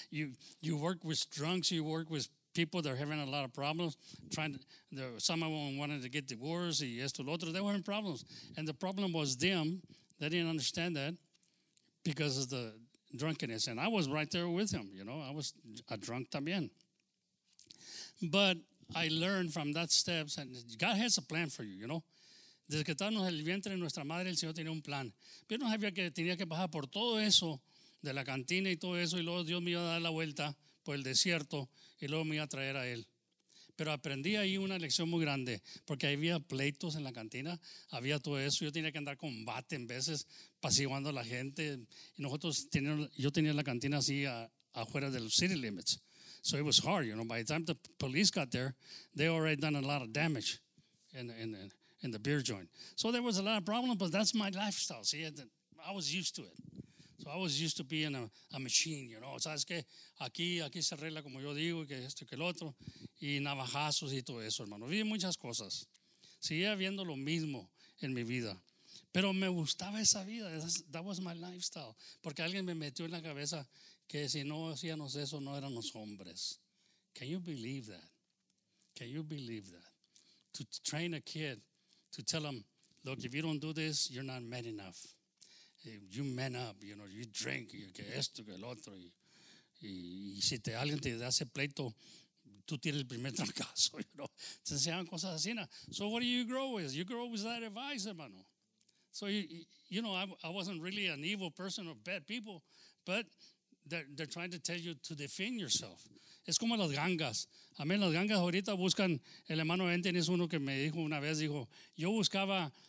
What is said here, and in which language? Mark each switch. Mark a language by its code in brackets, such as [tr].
[en] You work with drunks. You work with people that are having a lot of problems, some of them wanted to get divorced, [es] y esto, lo otro, [en] they were having problems. And the problem was them. They didn't understand that because of the drunkenness. And I was right there with them, you know. I was a drunk también. But I learned from that steps, and God has a plan for you, you know. [es] desde que estábamos en el vientre de nuestra madre, el Señor tenía un plan. Pero no sabía que tenía que pasar por todo eso, de la cantina y todo eso, y luego Dios me iba a dar la vuelta por el desierto y luego me iba a traer a Él. Pero aprendí ahí una lección muy grande, porque había pleitos en la cantina, había todo eso. Yo tenía que andar con bate en veces, apaciguando a la gente. Y nosotros teníamos, yo tenía la cantina así afuera del city limits. [en] So it was hard, you know. By the time the police got there, they already done a lot of damage in the beer joint. So there was a lot of problems, but that's my lifestyle. See, I was used to it. So I was used to being a machine, you know. [es] ¿Sabes qué? Aquí se arregla como yo digo, que esto y que el otro. Y navajazos y todo eso, hermano. Vi muchas cosas. Seguía viendo lo mismo en mi vida. Pero me gustaba esa vida. [en] That was my lifestyle. [es] Porque alguien me metió en la cabeza que si no hacíamos eso, no éramos hombres. [en] Can you believe that? Can you believe that? To train a kid, to tell him, look, if you don't do this, you're not men enough. You man up, you know, you drink, you get [es] esto, que el otro. Y si te alguien te hace pleito, tú tienes el primer trancazo, [en] you know. [es] Te enseñan cosas así. [en] So what do you grow with? You grow with that advice, hermano. So, you know, I wasn't really an evil person or bad people, but they're trying to tell you to defend yourself. [es] Es como las gangas. A mí las gangas ahorita buscan, el hermano Enten es uno que me dijo una vez, dijo, yo buscaba...